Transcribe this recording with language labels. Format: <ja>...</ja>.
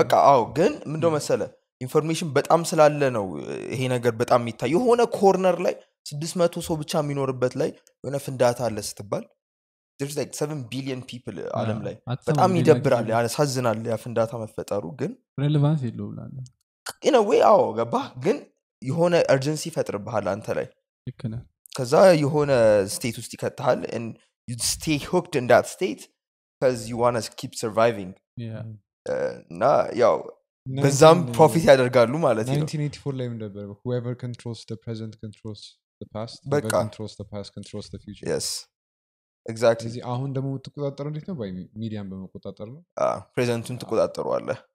<am>በቃ አው ግን ምን እንደው መሰለ ኢንፎርሜሽን በጣም ስላለ ነው ይሄ ነገር በጣም የሚታየው የሆነ ኮርነር ላይ 600 ሰው ብቻ የሚኖርበት ላይ የሆነ ፍንዳታ አለ ስትባል</am> <en>there's like 7 billion people</en> <am>ዓለም ላይ በጣም ይደብራል ያሳዝናል ያ ፍንዳታ መፈጠሩ ግን relevance የለውም ላለ</am> <en>in a way</en> <am>አው ገባ ግን የሆነ urgency ፈጥርብሃል አንተ ላይ ይከነ ከዛ የሆነ state ውስጥ ይከተሃል</am> <en>and you stay hooked in that state because you want to keep surviving yeah nah yo</en> <am>በዛም profit ያደርጋሉ ማለት ነው 1984 ላይ ምን ነበር</am> <en>whoever controls the present controls the past whoever controls the past controls the future yes exactly</en> <am>እዚህ አሁን ደሞ ተቆጣጣሩ እንዴት ነው ባይ ሚዲያን በመቆጣጣር ነው አዎ presentን ተቆጣጣሩ አለ</am>